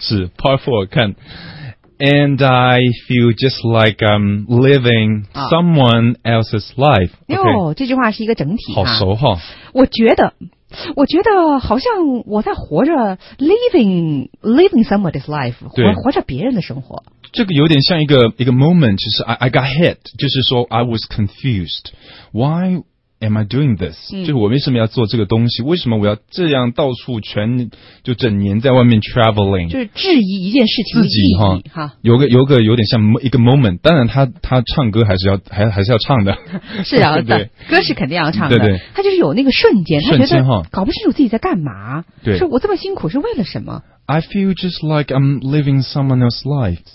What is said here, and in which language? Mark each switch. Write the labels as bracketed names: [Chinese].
[English] 是 Part 4 看And I feel just like I'm living someone else's life. 哟、 okay. [Chinese] 这句话是一个整体、啊。好熟哈。我觉得好像我在活着 [English] living somebody's life, [Chinese] 活着别人的生活。这个有点像一个 moment, 就是 [English] I got hit, [Chinese] 就是说 [English] I was confused. Why am I doing this?、嗯、 [Chinese] 就是我为什么要做这个东西为什么我要这样到处全就整年在外面 traveling? 就是质疑一件事情的意义自己哈。有个有点像一个 moment, 当然他唱歌还是要唱的。是要的歌是肯定要唱的。对对。他就是有那个瞬间瞬间哈。搞不清楚自己在干嘛。对。说我这么辛苦是为了什么 [English] ?I feel just like I'm living someone else's life.